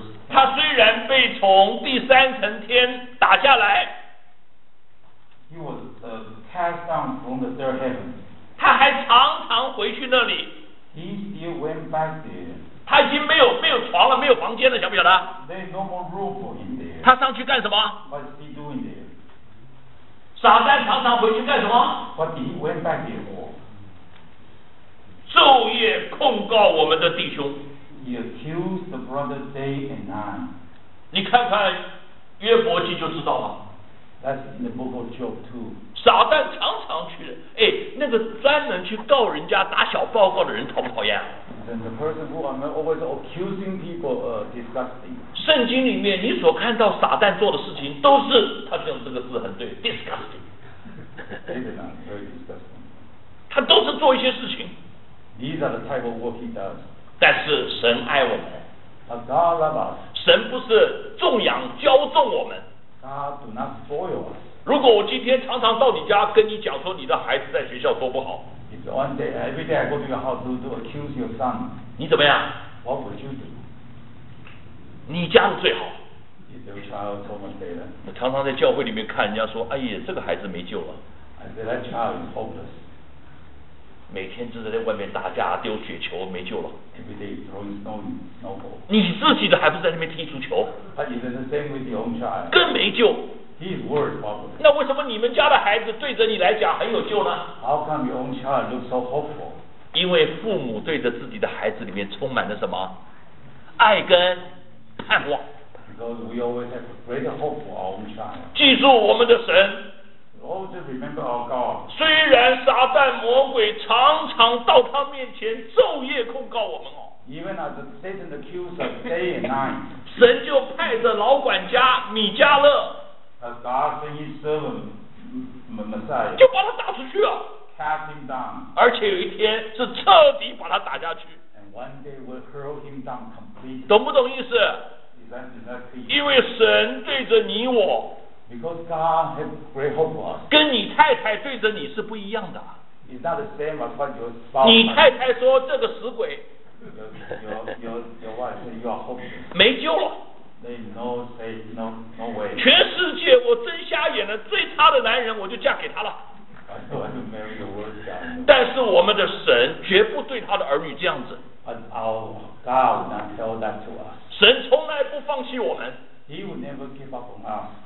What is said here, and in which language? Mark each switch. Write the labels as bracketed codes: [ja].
[zh] 他虽然被从第三层天打下来。 [en] He was cast down from the third heaven. [zh] 他还常常回去那里。 [en] He still went back there. [zh] 他已经没有床了，没有房间了，晓不晓得？ [en] There's no more room for him there. [zh] 他上去干什么？ [en] What is he doing there? [zh] 撒旦常常回去干什么？ [en] What he went back there for? [zh] 昼夜控告我们的弟兄。 [en] He accused the brothers day and night. [zh] 你看看约伯记就知道了。 [en] That's in the book of Job too. [zh] 撒旦常常去，哎，那个专门去告人家、打小报告的人，讨不讨厌？ [en] Then the person who are always accusing people, disgusting. [zh] 圣经里面你所看到撒旦做的事情，都是他用这个字很对 ，disgusting. [en] Very disgusting. [zh] 他都是做一些事情。 [en] These are the type of work he does. [zh] 但是神爱我们。 [en] But God loves us. [zh] 神不是重养骄纵我们。 [en] God do not spoil us. [zh] 如果我今天常常到你家跟你讲说你的孩子在学校多不好， [en] It's one day, every day I go to your house to accuse your son. [zh] 你怎么样？ [en] What would you do? [zh] 你家的最好。 [en] Is your child so much better? [zh] 我常常在教会里面看人家说，哎呀，这个孩子没救了。 [en] I say that child is hopeless. [zh] 每天就在外面打架丢雪球，没救了。 [en] Every day throwing snowball. [zh] 你自己的还不在那边踢足球。 [en] But it is the same with your own child. [zh] 更没救。 [en] He is worse, probably. [zh] 那为什么你们家的孩子对着你来讲很有救呢？ [en] How come your own child looks so hopeful? [zh] 因为父母对着自己的孩子里面充满了什么？爱跟盼望。 [en] Because we always have greater hope for our own child. [zh] 记住我们的神。 [en] Always remember our God. [zh] 虽然撒旦魔鬼常常到他面前昼夜控告我们哦。 [en] Even as Satan accuses us day and night. [zh] 神就派着老管家米迦勒。 [en] As God sent his servant Messiah. [zh] 就把他打出去了。 [en] Cast him down. [zh] 而且有一天是彻底把他打下去。 [en] And one day we'll hurl him down completely. [zh] 懂不懂意思？ [en] Is that clear? [zh] 因为神对着你我。 [en] Because God has great hope for us. [zh] 跟你太太对着你是不一样的。 [en] It's not the same as what your spouse. [zh] 你太太说这个死鬼。 [en] Your wife said you are hopeless. [zh] 没救了。 [en] There's no say, no way. [zh] 全世界我睁瞎眼了，最差的男人我就嫁给他了。 [en] I want to marry the worst guy. [zh] 但是我们的神绝不对他的儿女这样子。 [en] But our God would not tell that to us. [zh] 神从来不放弃我们。 [en] He would never give up on us.